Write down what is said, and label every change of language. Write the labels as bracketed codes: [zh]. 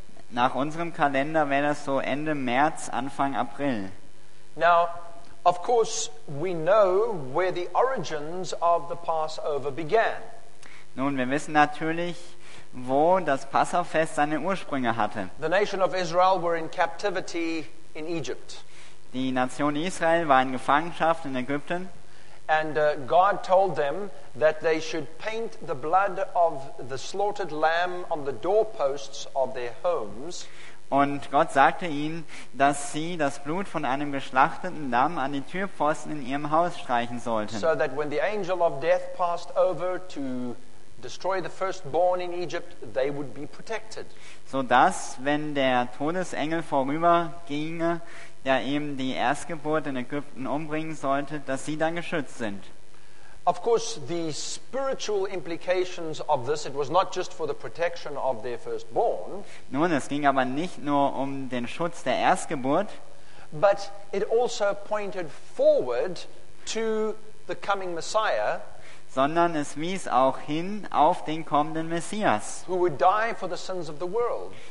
[de] Nach unserem Kalender wäre das so Ende März, Anfang April. [en] Now, of course, we know where the origins of the Passover began. [de] Nun, wir wissen natürlich, wo das Passafest seine Ursprünge hatte. [en] The nation of Israel were in captivity in Egypt. [de] Die Nation Israel war in Gefangenschaft in Ägypten. [en] And God told them that they should paint the blood of the slaughtered lamb on the doorposts of their homes. [de] Und Gott sagte ihnen, dass sie das Blut von einem geschlachteten Lamm an die Türpfosten in ihrem Haus streichen sollten. [en] So that when the angel of death passed over to destroy the firstborn in Egypt, they would be protected. [de] So dass, wenn der Todesengel vorüberginge, der eben die Erstgeburt in Ägypten umbringen sollte, dass sie dann geschützt sind. [en] Of course, the spiritual implications of this, it was not just for the protection of their firstborn. [de] Nun, es ging aber nicht nur um den Schutz der Erstgeburt, [en] but it also pointed forward to the coming Messiah, [de] sondern es wies auch hin auf den kommenden Messias, [en] who would die for the sins of the world,